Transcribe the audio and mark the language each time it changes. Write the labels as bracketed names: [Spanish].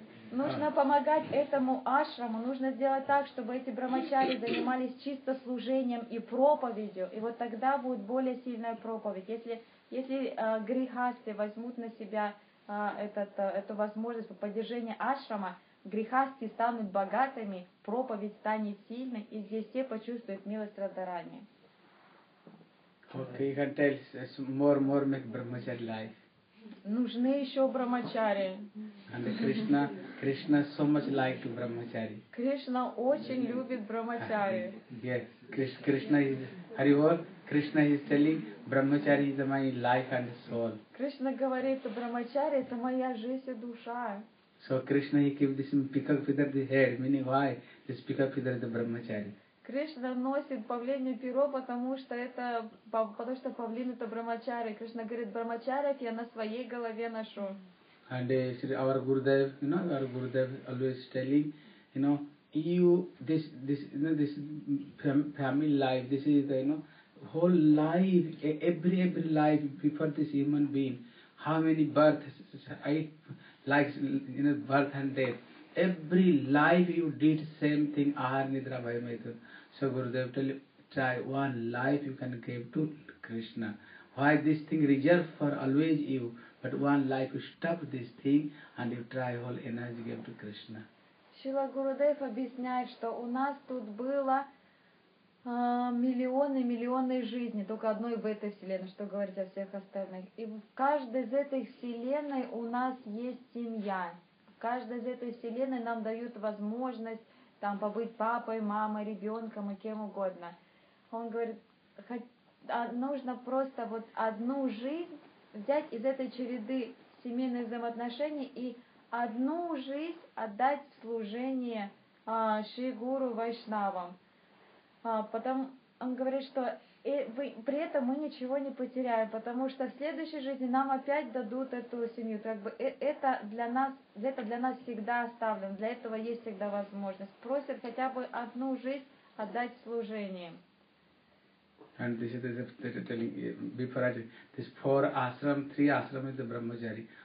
[Russian] Нужно помогать этому ашраму, нужно сделать так, чтобы эти брамачари занимались чисто служением и проповедью, и вот тогда будет более сильная проповедь. Если грихасты возьмут на себя эту возможность по поддержанию ашрама, грехасти станут богатыми, проповедь станет сильной, и здесь все почувствуют милость Радхарани. [English] Okay, you can tell us more make brahmachari life. [Russian] Нужны еще брамачари. [English] And Krishna so much like brahmachari. [Russian] Кришна очень любит брамачари. [English] Yes, Krishna is Haribol. Krishna is telling brahmachari is my life and soul. [Russian] Кришна говорит, брамачари это моя жизнь и душа. [English] So Krishna he gives this peacock feather the head, meaning why this peacock feather the brahmachari. [Russian] Krishna носит павлинье перо, потому что павлин это брамачари. Кришна говорит, брамачарик я на своей голове ношу. [English] And our Gurudev always telling, this family life, this is whole life, every life before this human being, how many births I like birth and death. Every life you did same thing, Ahar Nidra Bhaya Maitra. So Gurudev tell you, try one life you can give to Krishna. Why this thing reserved for always you, but one life you stop this thing and you try all energy give to Krishna. [Russian] Шрила Гурудев объясняет, что у нас тут было миллионы жизней, только одной в этой вселенной, что говорить о всех остальных. И в каждой из этой вселенной у нас есть семья. В каждой из этой вселенной нам дают возможность там побыть папой, мамой, ребенком и кем угодно. Он говорит, нужно просто вот одну жизнь взять из этой череды семейных взаимоотношений и одну жизнь отдать в служение Шри Гуру Вайшнавам. Потом он говорит, что при этом мы ничего не потеряем, потому что в следующей жизни нам опять дадут эту семью. Это для нас всегда оставлено, для этого есть всегда возможность. Просят хотя бы одну жизнь отдать служение. [English] And this is telling Bipharaj, this four ashram, three ashram is the brahmachari.